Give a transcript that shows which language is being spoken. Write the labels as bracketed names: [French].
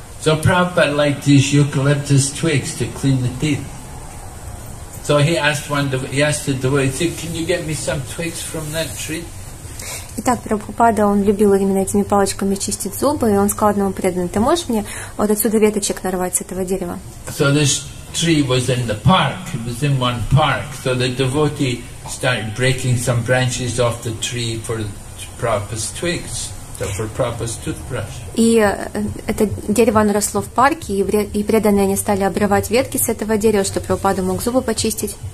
[English] So Prabhupada liked his eucalyptus twigs to clean the teeth. So he asked the devotee, he said, can you get me some twigs from that tree? [Russian] Итак, Прабхупада, он любил именно этими палочками чистить зубы, и он сказал одному преданному, ты можешь мне вот отсюда веточек нарвать с этого дерева? [English] So this tree was in the park, it was in one park, so the devotee started breaking some branches off the tree for Prabhupada's twigs, for Prabhupada's toothbrush. [Russian] И это дерево росло в парке, и преданные они стали обрывать ветки с этого дерева, чтобы Прабхупада мог зубы почистить.